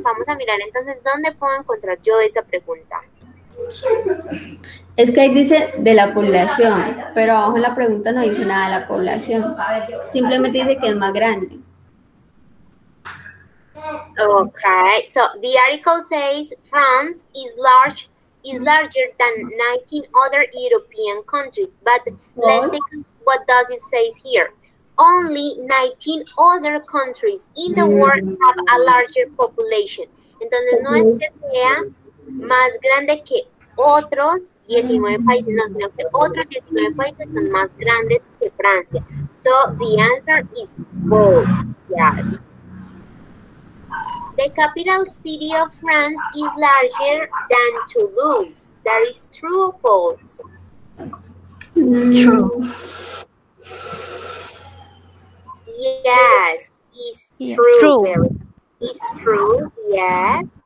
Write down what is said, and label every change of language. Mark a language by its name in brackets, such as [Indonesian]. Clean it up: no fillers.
[Spanish] Vamos a mirar entonces dónde puedo encontrar yo esa pregunta. Es que ahí dice de la población, pero abajo en la pregunta no dice nada de la población. Simplemente dice que es más grande. [English] Okay, so the article says France is large, is larger than 19 other European countries, but let's take what does it say here. Only 19 other countries in the world have a larger population. [Spanish] Entonces no es que sea más grande que otros 19 países, no, sino que otros 19 países son más grandes que Francia. [English] So the answer is false. Yes. The capital city of France is larger than Toulouse. That is true or false? True. Yes, it's true. True. It's true, yes.